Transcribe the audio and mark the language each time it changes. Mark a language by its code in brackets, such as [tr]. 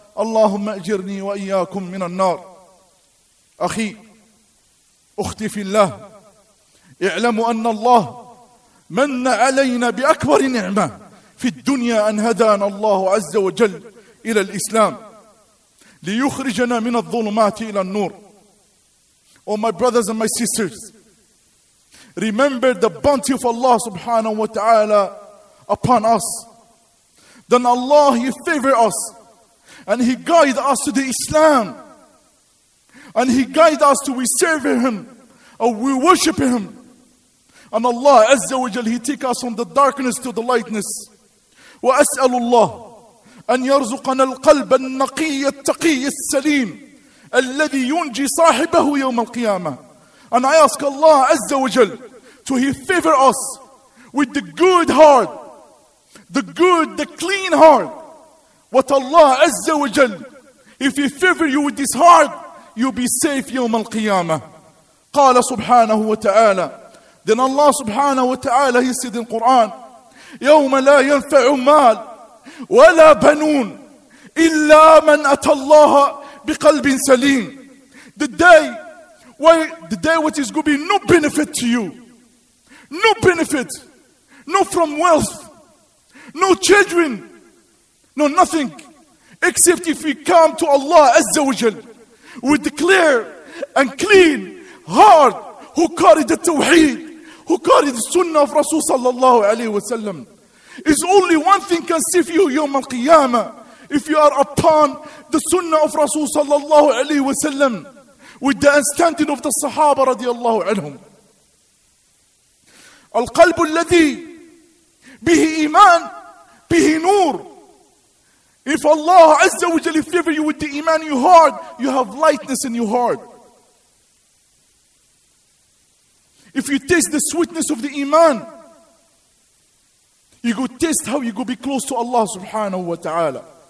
[ar] اللهم أجرني وإياكم من النار. أخي أختي في الله، اعلموا أن الله من علينا بأكبر نعمة في الدنيا أن هدانا الله عز وجل إلى الإسلام ليخرجنا من الظلمات إلى النور. [en] Oh my brothers and my sisters, remember the bounty of Allah subhanahu wa ta'ala upon us. Then Allah, He favored us and He guided us to the Islam. And He guided us to we serve Him and we worship Him. And Allah Azza wa Jal, He take us from the darkness to the lightness. [ar] Wa as'alu Allah an yarzuqana al-qalb al-naqiy al-taqiy al-saleem الذي ينجي صاحبه يوم القيامة. [en] And I ask Allah Azza wa Jal to He favor us with the good heart, the good, the clean heart. What Allah Azza wa Jal, if He favor you with this heart, you'll be safe يوم القيامة. [ar] قال سبحانه وتعالى. Then Allah سبحانه وتعالى [en] He said in Quran, [ar] يوم لا ينفع مال ولا بنون إلا من أتى الله بقلب سليم. [en] The day which is going to be no benefit to you, no benefit, no from wealth, no children, no nothing, except if we come to Allah Azza wa Jal with the clear and clean heart, who carried the Tawheed, who carried the Sunnah of Rasul Sallallahu Alaihi Wasallam. Is only one thing can save you yawm al-qiyamah, if you are upon the Sunnah of Rasul Sallallahu Alaihi Wasallam, with the understanding of the Sahaba radiallahu anhum. [ar] القلب الذي به إيمان به نور. [en] If Allah Azza wa Jalla favor you with the iman in your heart, you have lightness in your heart. If you taste the sweetness of the iman, you go taste how you go be close to Allah subhanahu wa ta'ala.